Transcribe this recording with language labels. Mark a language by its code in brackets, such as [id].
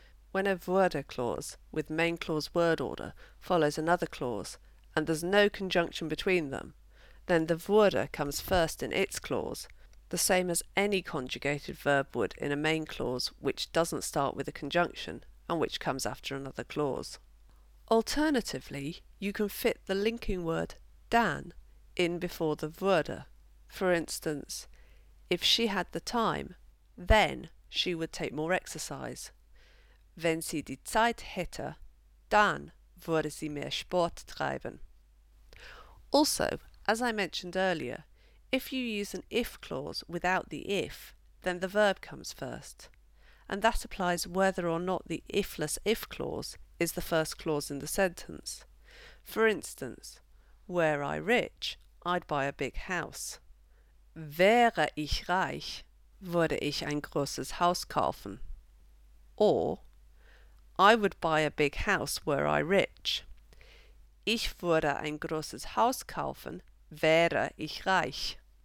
[en] When a würde clause with main clause word order follows another clause and there's no conjunction between them, then the würde comes first in its clause, the same as any conjugated verb would in a main clause which doesn't start with a conjunction and which comes after another clause. Alternatively, you can fit the linking word dann in before the würde. For instance, if she had the time, then she would take more exercise. [de] Wenn sie die Zeit hätte, dann würde sie mehr Sport treiben. [en] Also, as I mentioned earlier, if you use an if clause without the if, then the verb comes first. And that applies whether or not the ifless if clause is the first clause in the sentence. For instance, were I rich, I'd buy a big house. [de] Wäre ich reich, würde ich ein großes Haus kaufen. [en] Or, I would buy a big house were I rich. [de] Ich würde ein großes Haus kaufen, wäre ich reich.